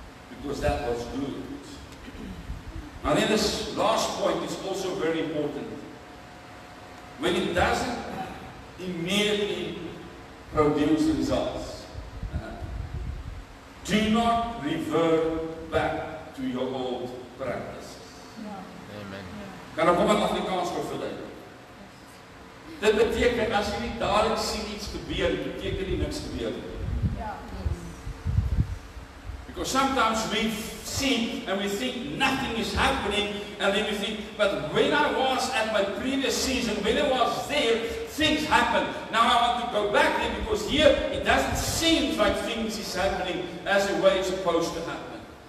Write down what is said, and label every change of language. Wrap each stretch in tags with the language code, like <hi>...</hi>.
<en>Because that was good. And then this last point is also very important. When it doesn't immediately produce results. Do not revert back to your old practices.</en> <af>Ja. Amen. Kan ek hom in Afrikaans vir verduidelik? Dit beteken, as jy nie dadelijk sien iets gebeur, beteken nie niks gebeur. Ja.</af> <en>Because sometimes we see and we think nothing is happening, and then we think, but when I was at my previous season, when I was there, things happened. Now I want to go back there because here it doesn't seem like things is happening as the way it's supposed to happen.</en>